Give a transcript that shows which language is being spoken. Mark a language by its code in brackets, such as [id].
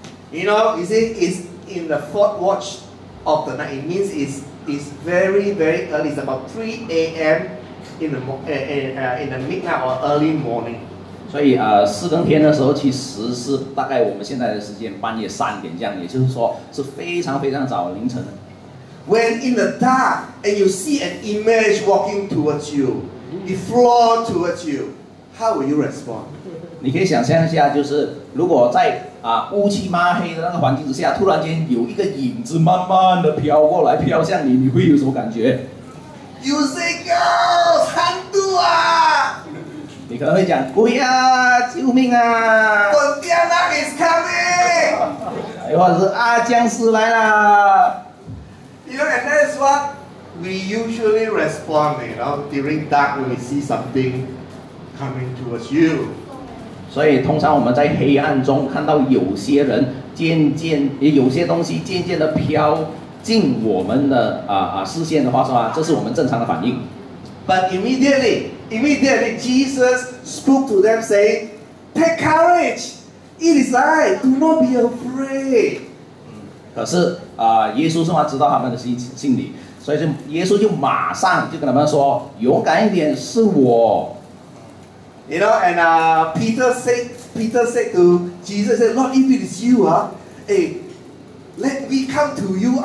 [en] You know, you see, it's in the fourth watch of the night. It means it's very very early. It's about 3 a.m. in the midnight or early morning. [zh] 所以四更天的时候其实是大概我们现在的时间半夜三点这样，也就是说是非常非常早凌晨。 [en] When in the dark and you see an image walking towards you, it flew towards you, how will you respond? [zh] 你可以想象一下，就是如果在乌漆抹黑的那个环境之下，突然间有一个影子慢慢的飘过来飘向你，你会有什么感觉？ [en] You say girls, [zh] 喊住啊，你可能会讲鬼啊，救命啊，滚掉那 [en] is coming， [zh] 或者是啊僵尸来啦。 [en] You know, and that is what we usually respond, you know, during dark when we see something coming towards you. [zh] 所以通常我们在黑暗中看到有些人渐渐有些东西渐渐的飘进我们的视线的话，是吧，这是我们正常的反应。 [en] But immediately, Jesus spoke to them, saying, "Take courage! It is I. Do not be afraid." [zh] 可是耶稣是吗？知道他们的心理，所以就耶稣就马上就跟他们说，勇敢一点，是我。 [en] You know, and Peter said to Jesus, "said Lord, if it is you, let me come to you.